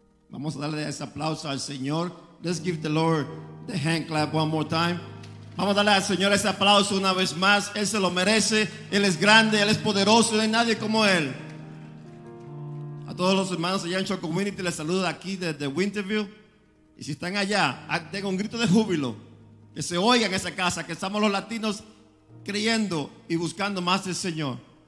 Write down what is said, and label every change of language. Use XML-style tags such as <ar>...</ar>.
<es>Vamos a darle ese aplauso al Señor.</es> <en>Let's give the Lord the hand clap one more time.</en> <es>Vamos a darle al Señor ese aplauso una vez más. Él se lo merece. Él es grande, Él es poderoso. No hay nadie como Él. A todos los hermanos allá en Shore Community, les saludo aquí desde Winterville. Y si están allá, tengo un grito de júbilo. Que se oiga en esa casa, que estamos los latinos creyendo y buscando más del Señor.</es>